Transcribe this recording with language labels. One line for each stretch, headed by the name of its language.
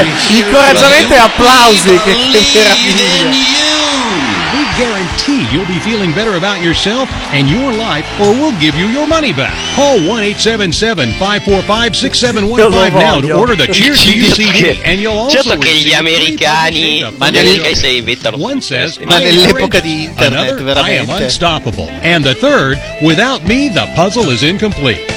Italian: Incoraggiamento e applausi. Che meraviglia.
English: guarantee you'll be feeling better about yourself and your life, or we'll give you your money back. Call 1-877-545-6715 now to order the Cheers to You CD, and you'll also
Italian: certo che gli americani, ma nell'epoca di internet,
English: I am unstoppable, and the third, without me the puzzle is incomplete.